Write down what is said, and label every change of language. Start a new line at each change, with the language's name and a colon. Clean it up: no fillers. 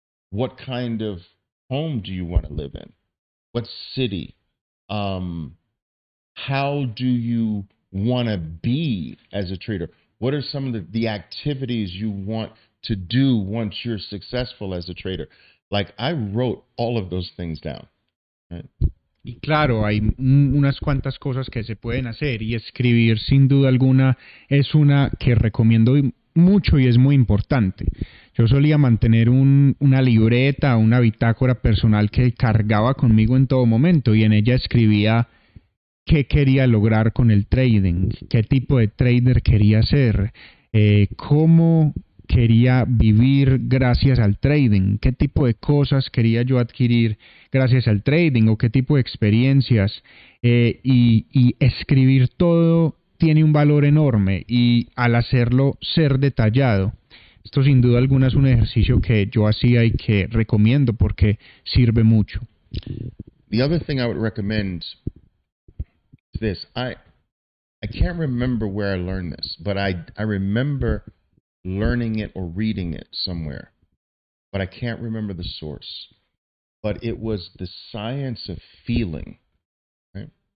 English: What kind of home do you want to live in? What city? How do you want to be as a trader? What are some of the activities you want to do once you're successful as a trader? Like, I wrote all of those things down. Right?
Spanish: Y claro, hay unas cuantas cosas que se pueden hacer, y escribir sin duda alguna es una que recomiendo mucho y es muy importante. Yo solía mantener una libreta, una bitácora personal que cargaba conmigo en todo momento, y en ella escribía qué quería lograr con el trading, qué tipo de trader quería ser, cómo quería vivir gracias al trading, qué tipo de cosas quería yo adquirir gracias al trading o qué tipo de experiencias. Y escribir todo tiene un valor enorme, y al hacerlo, ser detallado. Esto sin duda alguna es un ejercicio que yo hacía y que recomiendo porque sirve mucho.
English: The other thing I would recommend this. I can't remember where I learned this, but I remember learning it or reading it somewhere, but I can't remember the source. But it was the science of feeling, right?